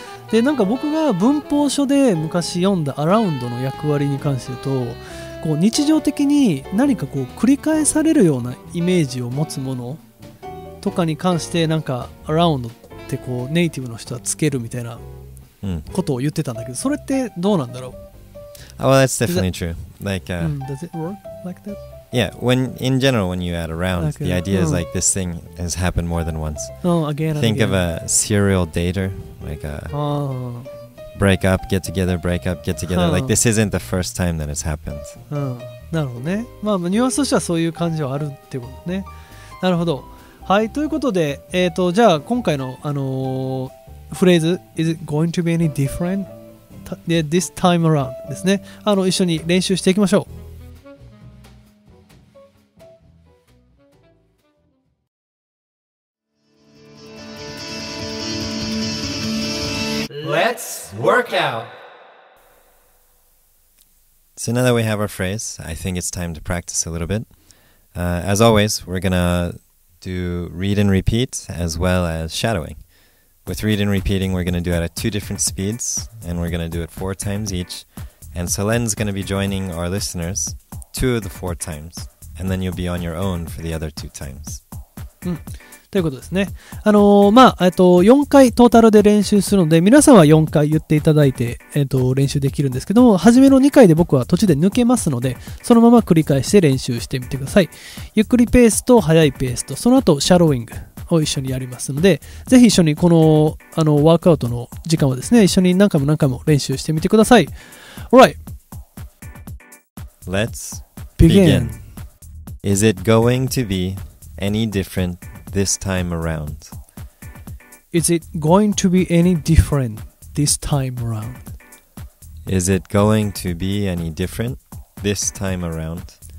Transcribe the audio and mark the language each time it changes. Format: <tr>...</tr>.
<ja>で、なんか僕が文法書で昔読んだアラウンドの役割に関して言うと、こう日常的に何かこう繰り返されるようなイメージを持つものとかに関して、なんかアラウンドってこうネイティブの人はつけるみたいなことを言ってたんだけど、それってどうなんだろう。</ja> <en>Oh, well, that's definitely true. Like, does it work like that? Yeah, when in general, when you add around, okay, the idea is like this thing has happened more than once. Think of a serial dater, like a break up, get together, break up, get together. Like this isn't the first time that it's happened.</en> <ja>なるほどね。まあニュアンスとしてはそういう感じはあるってことね。なるほど。はい、ということで、じゃあ今回のフレーズ、</ja> <en>is it going to be any different?</en> <ja>で、</ja> <en>This time around</en> <ja>ですね。一緒に練習していきましょう。</ja> <en>Let's work out! So now that we have our phrase, I think it's time to practice a little bit. As always, we're gonna do read and repeat as well as shadowing. With read and repeating, we're going to do it at two different speeds, and we're going to do it four times each. And Selene's going to be joining our listeners two of the four times, and then you'll be on your own for the other two times.</en> <ja>ということですね。まあ、4回トータルで練習するので、皆さんは4回言っていただいて、練習できるんですけども、初めの2回で僕は途中で抜けますので、そのまま繰り返して練習してみてください。ゆっくりペースと速いペースと、その後シャローイング。を一緒にやりますので、ぜひ一緒にこの、ワークアウトの時間をですね、一緒に何回も何回も練習してみてください。</ja> <en>Alright Let's begin. Is it going to be any different this time around? Is it going to be any different this time around? Is it going to be any different this time around?</en>